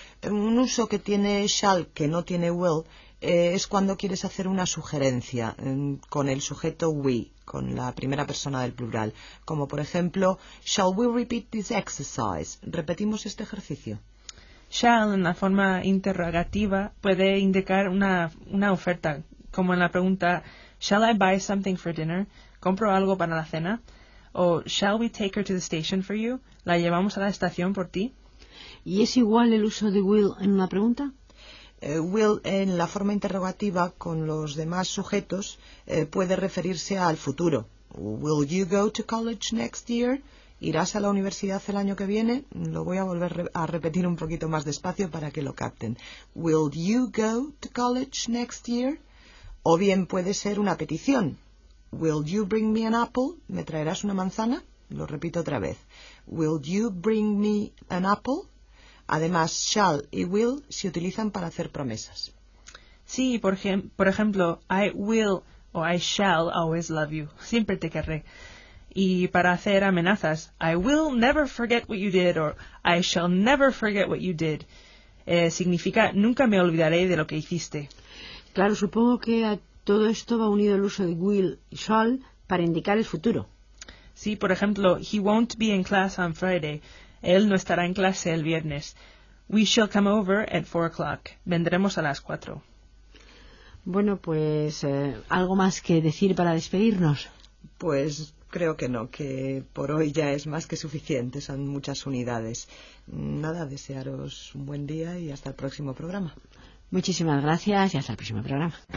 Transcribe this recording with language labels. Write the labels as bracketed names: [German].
[Spanish] Un uso que tiene shall, que no tiene will, es cuando quieres hacer una sugerencia con el sujeto we, con la primera persona del plural. Como por ejemplo, [English] shall we repeat this exercise? [Spanish] ¿Repetimos este ejercicio? Shall, en la forma interrogativa, puede indicar una oferta, como en la pregunta, [English] shall I buy something for dinner? [Spanish] ¿Compro algo para la cena? [English] O, shall we take her to the station for you? [Spanish] ¿La llevamos a la estación por ti? ¿Y es igual el uso de will en una pregunta? Will, en la forma interrogativa con los demás sujetos, puede referirse al futuro. [English] Will you go to college next year? [Spanish] ¿Irás a la universidad el año que viene? Lo voy a volver a repetir un poquito más despacio para que lo capten. [English] Will you go to college next year? [Spanish] O bien puede ser una petición. [English] Will you bring me an apple? [Spanish] ¿Me traerás una manzana? Lo repito otra vez. [English] Will you bring me an apple? [Spanish] Además, shall y will se utilizan para hacer promesas. Sí, por ejemplo, [English] I will o I shall always love you. [Spanish] Siempre te querré. Y para hacer amenazas, [English] I will never forget what you did or I shall never forget what you did. [Spanish] Significa nunca me olvidaré de lo que hiciste. Claro, supongo que a todo esto va unido el uso de will y shall para indicar el futuro. Sí, por ejemplo, [English] he won't be in class on Friday. [Spanish] Él no estará en clase el viernes. [English] We shall come over at 4 o'clock. [Spanish] Vendremos a las 4. Bueno, pues, ¿algo más que decir para despedirnos? Pues creo que no, que por hoy ya es más que suficiente. Son muchas unidades. Nada, desearos un buen día y hasta el próximo programa. Muchísimas gracias y hasta el próximo programa.